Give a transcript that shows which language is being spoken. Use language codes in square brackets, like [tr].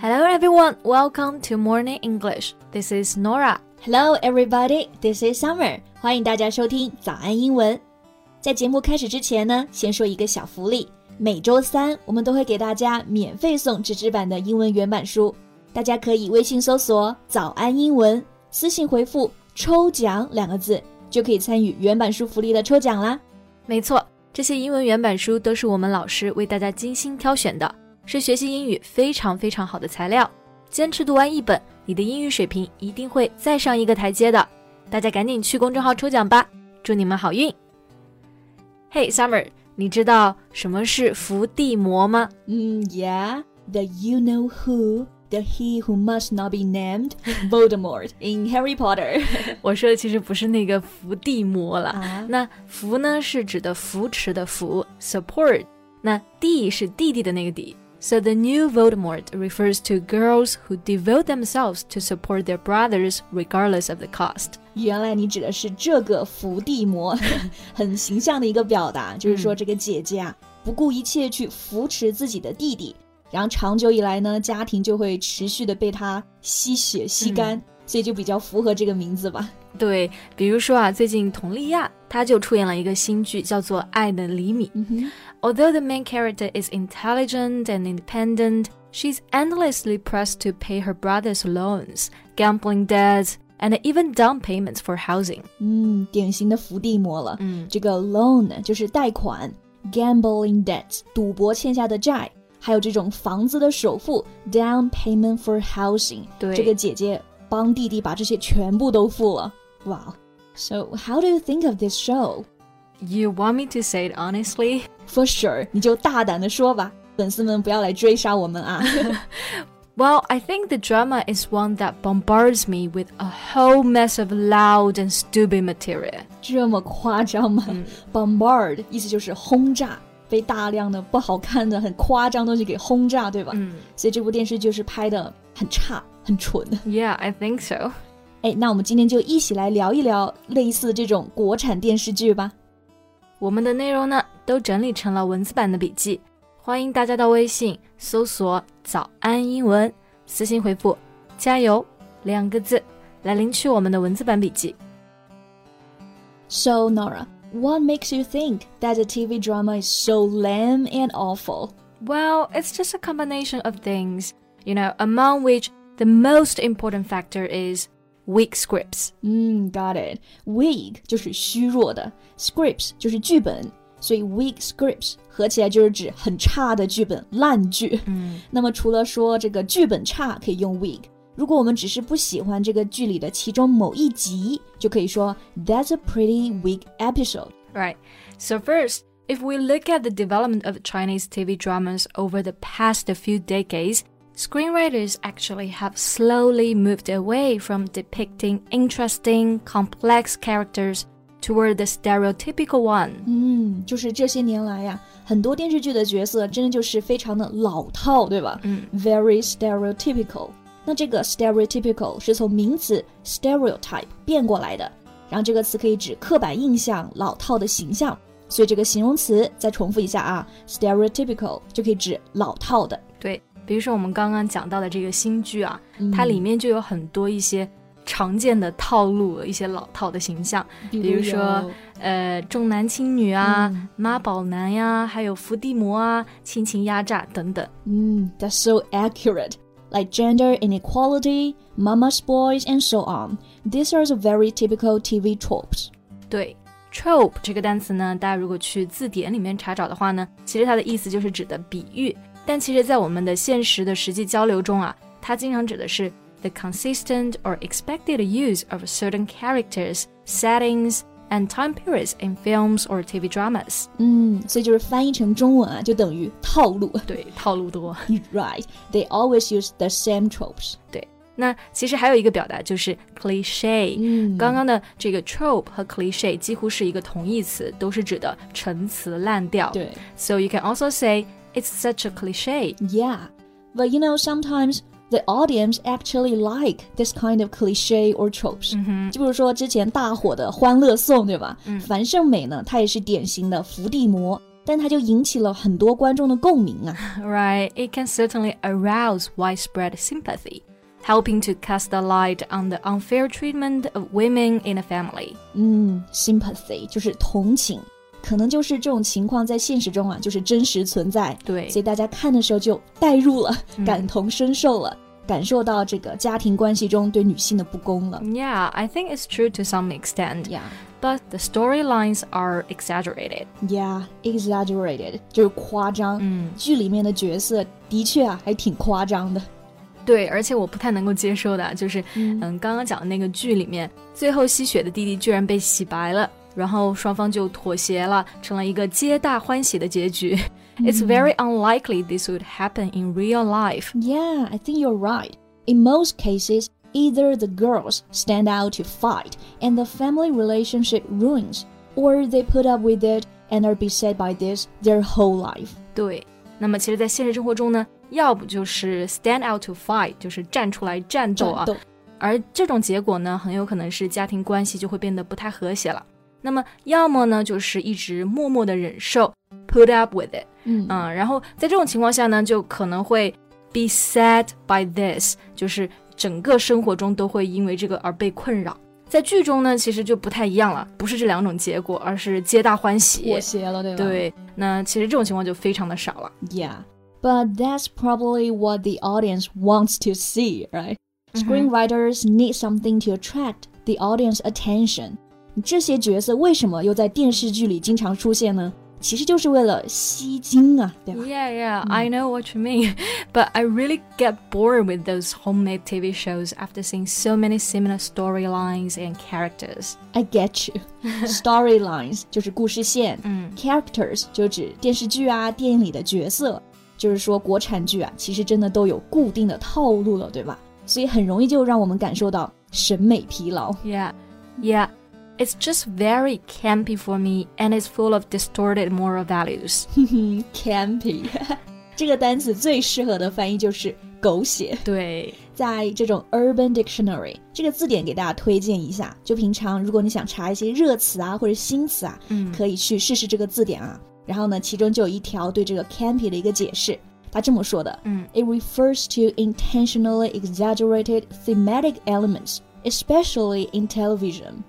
[en] everyone, welcome to Morning English. This is Nora. Hello, everybody. This is Summer. [zh] 欢迎大家收听早安英文。在节目开始之前呢，先说一个小福利。每周三，我们都会给大家免费送纸质版的英文原版书。大家可以微信搜索“早安英文”，私信回复“抽奖”两个字，就可以参与原版书福利的抽奖啦。没错，这些英文原版书都是我们老师为大家精心挑选的。是学习英语非常非常好的材料，坚持读完一本，你的英语水平一定会再上一个台阶的。大家赶紧去公众号抽奖吧，祝你们好运。 [en] Hey Summer, [zh] 你知道什么是伏地魔吗？ [en] Yeah, the you know who, the he who must not be named, Voldemort in Harry Potter. [zh] 我说的其实不是那个伏地魔了，那伏呢是指的扶持的扶 ,support, 那地是弟弟的那个地。 [en] So the new Voldemort refers to girls who devote themselves to support their brothers regardless of the cost. [zh] 原来你指的是这个伏地魔，很形象的一个表达，就是说这个姐姐啊，不顾一切去扶持自己的弟弟，然后长久以来呢，家庭就会持续的被他吸血吸干，所以就比较符合这个名字吧。对，比如说啊，最近佟丽娅她就出演了一个新剧，叫做《爱的厘米》。 [en] Although the main character is intelligent and independent, she's endlessly pressed to pay her brother's loans, gambling debts, and even down payments for housing. [zh] 典型的伏地魔了。这个 loan 就是贷款 , [en] gambling debts, [zh] 赌博欠下的债，还有这种房子的首付 , [en] down payment for housing. [zh] 对，这个姐姐帮弟弟把这些全部都付了。 [en] Wow. So, how do you think of this show? You want me to say it honestly? For sure, [zh] 你就大胆地说吧，粉丝们不要来追杀我们啊。 [en] Well, I think the drama is one that bombards me with a whole mess of loud and stupid material. [zh] 这么夸张吗？ Bombard, 意思就是轰炸，被大量的不好看的、很夸张的东西给轰炸，对吧？所以这部电视就是拍得很差、很蠢。 [en] Yeah, I think so. [zh] 哎，那我们今天就一起来聊一聊类似这种国产电视剧吧。我们的内容呢都整理成了文字版的笔记，欢迎大家到微信搜索早安英文，私信回复加油两个字来领取我们的文字版笔记。 [en] So Nora, what makes you think that the TV drama is so lame and awful? Well, it's just a combination of things, you know, among which the most important factor isis weak scripts. Got it. [zh] Weak 就是虚弱的， scripts 就是剧本，所以 weak scripts 合起来就是指很差的剧本，烂剧。那么除了说这个剧本差可以用 weak， 如果我们只是不喜欢这个剧里的其中某一集，就可以说 [en] that's a pretty weak episode. Right. So first, if we look at the development of Chinese TV dramas over the past few decades,Screenwriters actually have slowly moved away from depicting interesting, complex characters toward the stereotypical one. [zh] 就是这些年来呀，很多电视剧的角色真的就是非常的老套，对吧？ [en] Very stereotypical. [zh] 那这个 stereotypical 是从名词 stereotype 变过来的，然后这个词可以指刻板印象、老套的形象。所以这个形容词再重复一下啊 ，stereotypical 就可以指老套的。对。比如说我们刚刚讲到的这个新剧啊，它里面就有很多一些常见的套路，一些老套的形象，比如说重男轻女啊，妈宝男呀，还有伏地魔啊，亲情压榨等等。 [en] That's so accurate. Like gender inequality, mama's boys and so on. These are the very typical TV tropes. [zh] 对， trope 这个单词呢，大家如果去字典里面查找的话呢，其实它的意思就是指的比喻，但其实在我们的现实的实际交流中啊，它经常指的是 [en] the consistent or expected use of certain characters, settings, and time periods in films or TV dramas. [zh] 所以就是翻译成中文啊，就等于套路。对，套路多。 [en] Right, they always use the same tropes. [zh] 对，那其实还有一个表达就是 cliché。刚刚的这个 trope 和 cliché 几乎是一个同义词，都是指的陈词滥调。对。 [en] So you can also say,It's such a cliche. Yeah, but you know, sometimes the audience actually like this kind of cliche or tropes. [zh] 就比如说之前大火的欢乐颂，对吧？樊胜美呢，她也是典型的伏地魔，但它就引起了很多观众的共鸣啊。 [en] Right, it can certainly arouse widespread sympathy, helping to cast a light on the unfair treatment of women in a family. [zh] Sympathy 就是同情，可能就是这种情况在现实中啊，就是真实存在。对，所以大家看的时候就代入了，感同身受了。感受到这个家庭关系中对女性的不公了。 [en] Yeah, I think it's true to some extent. Yeah. But the storylines are exaggerated. [zh] Yeah, exaggerated, 就是夸张。剧里面的角色的确啊，还挺夸张的。对，而且我不太能够接受的，就是刚刚讲的那个剧里面，最后吸血的弟弟居然被洗白了，然后双方就妥协了，成了一个皆大欢喜的结局。 [en] It's very unlikely this would happen in real life. Yeah, I think you're right. In most cases, either the girls stand out to fight and the family relationship ruins, or they put up with it and are beset by this their whole life. [zh] 对，那么其实在现实生活中呢，要不就是 [en] stand out to fight, [zh] 就是站出来战斗啊。而这种结果呢，很有可能是家庭关系就会变得不太和谐了。那么要么呢，就是一直默默地忍受 [en] put up with it。 [zh] 然后在这种情况下呢，就可能会 [en] be sad by this, [zh] 就是整个生活中都会因为这个而被困扰。在剧中呢，其实就不太一样了，不是这两种结果，而是皆大欢喜，妥协了，对吧？对，那其实这种情况就非常的少了。 [en] Yeah, but that's probably what the audience wants to see, right? Screenwriters need something to attract the audience's attention. [zh] 这些角色为什么又在电视剧里经常出现呢？其实就是为了吸睛啊，对吧？ [en] Yeah, yeah, I know what you mean. But I really get bored with those homemade TV shows after seeing so many similar storylines and characters. I get you. [zh] Storylines 就是故事线Characters 就指电视剧啊，电影里的角色。就是说国产剧啊，其实真的都有固定的套路了，对吧？所以很容易就让我们感受到审美疲劳。 [en] Yeah, yeah. It's just very campy for me, and it's full of distorted moral values. Campy. [zh] 这个单词最适合的翻译就是狗血。对。在这种 Urban Dictionary, 这个字典给大家推荐一下。就平常如果你想查一些热词啊或者新词啊可以去试试这个字典啊。然后呢其中就有一条对这个 campy 的一个解释。他这么说的。 [en] It refers to intentionally exaggerated thematic elements,especially in television.